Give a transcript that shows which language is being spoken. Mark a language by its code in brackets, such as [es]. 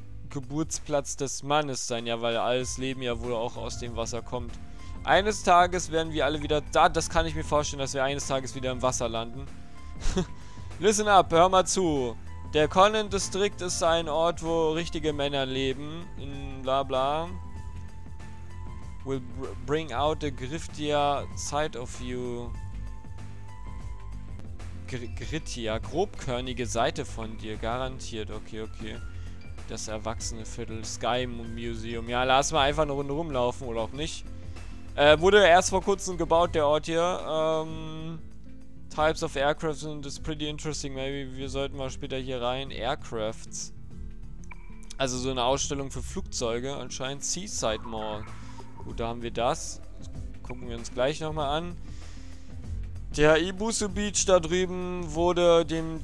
[de] Geburtsplatz des Mannes sein, ja, weil alles Leben ja wohl auch aus dem Wasser kommt. Eines Tages werden wir alle wieder da, das kann ich mir vorstellen, dass wir eines Tages wieder im Wasser landen. [en] Listen up, [de] hör mal zu. Der Conan District ist ein Ort, wo richtige Männer leben. In bla bla. [en] Will bring out the griftier side of you. [de] Grittia, grobkörnige Seite von dir, garantiert. Okay, okay. Das erwachsene Viertel, Sky Museum. Ja, lass mal einfach eine Runde rumlaufen oder auch nicht. Wurde erst vor kurzem gebaut, der Ort hier. [en] Types of aircrafts and it's pretty interesting. [de] Maybe wir sollten mal später hier rein. Aircrafts. Also so eine Ausstellung für Flugzeuge. Anscheinend Seaside Mall. Gut, da haben wir das. Das gucken wir uns gleich nochmal an. Der Ibusu Beach da drüben wurde dem.